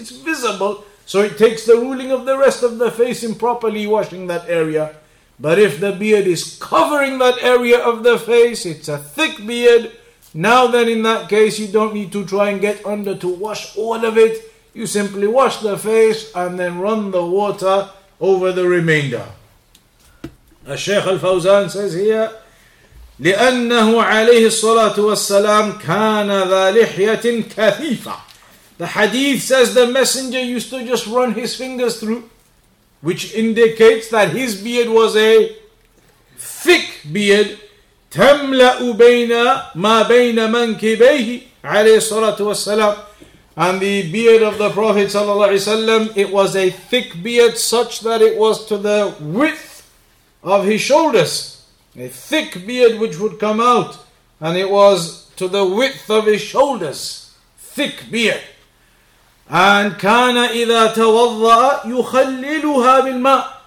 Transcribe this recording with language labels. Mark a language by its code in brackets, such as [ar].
[en] It's visible, so it takes the ruling of the rest of the face in properly washing that area. But if the beard is covering that area of the face, it's a thick beard, now then in that case you don't need to try and get under to wash all of it. You simply wash the face and then run the water over the remainder. [ar] الشيخ الفوزان [en] says here, [ar] لأنه عليه الصلاة والسلام كان ذا لحية كثيفة. [en] The hadith says the messenger used to just run his fingers through, which indicates that his beard was a thick beard. [ar] تملأ بين ما بين منكبيه عليه الصلاة والسلام. [en] And the beard of the Prophet ﷺ, it was a thick beard such that it was to the width of his shoulders. A thick beard which would come out, and it was to the width of his shoulders. Thick beard. And [ar] كَانَ إِذَا تَوَضَّأَ يُخَلِّلُهَا بِالْمَاءِ.